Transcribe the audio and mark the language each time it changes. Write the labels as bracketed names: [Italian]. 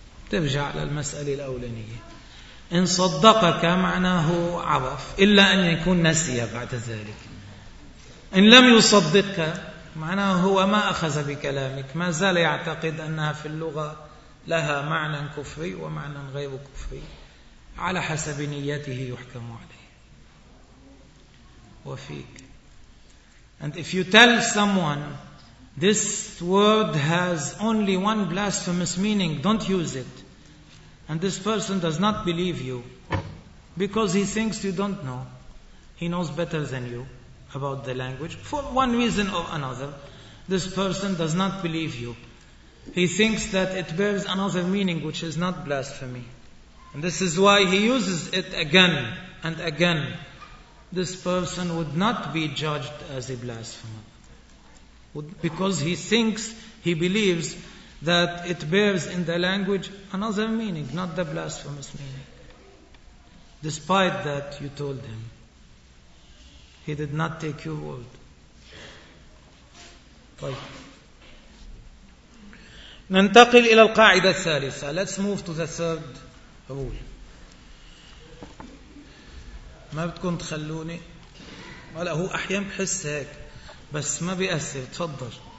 [Arabic] ترجع للمسألة الأولانية. إن صدقك معناه عرف، إلا أن يكون نسي بعد ذلك. إن لم يصدقك معناه هو ما أخذ بكلامك، ما زال يعتقد أنها في اللغة لها معنى كفري ومعنى غير كفري، على حسب نيته يحكم عليه. وفيك. [English] And if you tell someone This word has only one blasphemous meaning. Don't use it. And this person does not believe you because he thinks you don't know. He knows better than you about the language. For one reason or another, this person does not believe you. He thinks that it bears another meaning, which is not blasphemy. And this is why he uses it again and again. This person would not be judged as a blasphemer, because he thinks, he believes, that it bears in the language another meaning, not the blasphemous meaning. Despite that, you told him. He did not take your word. [Arabic] ننتقل إلى القاعدة الثالثة. [English] Let's move to the third rule. [Arabic] ما بتكون تخلوني؟ ولا هو أحيان بحس هيك بس ما بيأثر. تفضل.